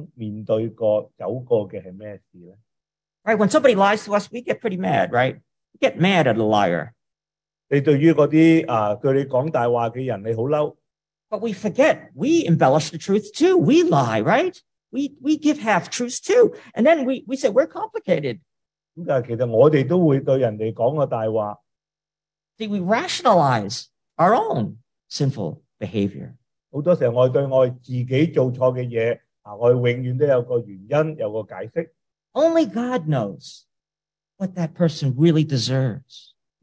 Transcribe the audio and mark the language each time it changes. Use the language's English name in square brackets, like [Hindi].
[Chinese] 但你知不知道这个人的背景在哪里?你知不知道这个人他一生面对过,走过的是什么事呢? [English] Right, when somebody lies to us, we get pretty mad, right? We get mad at a liar. [Chinese] 你对于那些,对你讲大话的人,你很生气。 [English] But we forget, we embellish the truth too. We lie, right? We give half-truths too. And then we say, we're complicated. [Chinese] 其实我们都会对人家讲个大话。 [English] See, we rationalize our own sinful behavior. [Chinese] 很多时候我对我自己做错的事,我永远都有个原因,有个解释。 [English] Only God knows what that person really deserves.